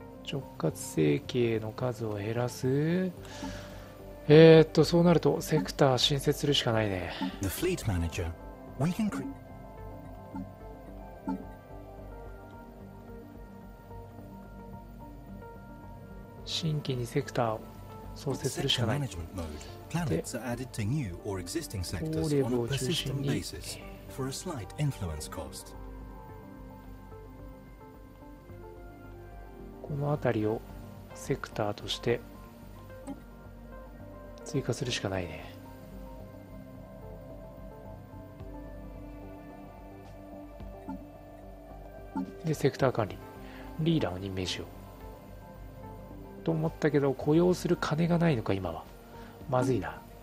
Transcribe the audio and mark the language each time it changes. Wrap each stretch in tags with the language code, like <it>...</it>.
<ja>直轄政権の数を減らす。そうなるとセクター新設するしかないね。</ja> <en>The fleet manager. We can cre-</en> <ja>新規にセクターを創設するしかない。</ja> <en>Planets are added to new or existing sectors on a persistent basis for a slight influence cost.</en> <ja>この辺りをセクターとして追加するしかないね。で、セクター管理リーダーを任命しようと思ったけど、雇用する金がないのか今は。まずいな。</ja>